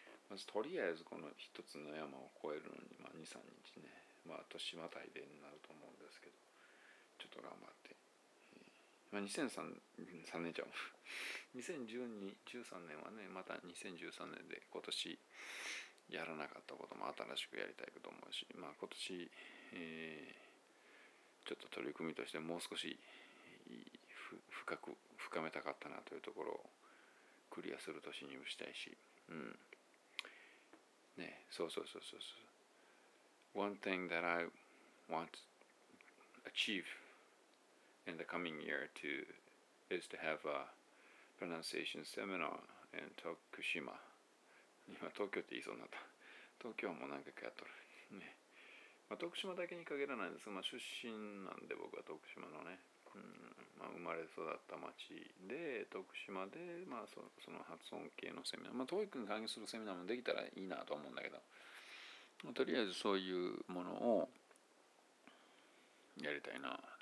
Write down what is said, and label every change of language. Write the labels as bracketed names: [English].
[Japanese] まずとりあえずこの一つの山を越えるのに、まあ、2、3日ね、まあ年またいでになると思うんですけど、ちょっと頑張って、まあ、2013年はね、また2013年で今年やらなかったことも新しくやりたいと思うし、まあ今年、ちょっと取り組みとしてもう少し深めたかったなというところをクリアする年にしたいし、ね、そう。 [English] One thing that I want to achieve in the coming year is to have a pronunciation seminar in Tokushima. [Japanese] 今、東京って言いそうになった。東京はもう何回かやっとる。ね、まあ、徳島だけに限らないんですが、まあ、出身なんで僕は徳島のね。まあ、生まれ育った町で徳島で、まあ、その発音系のセミナー、まあ、トイックに関するセミナーもできたらいいなと思うんだけど、まあ、とりあえずそういうものをやりたいな。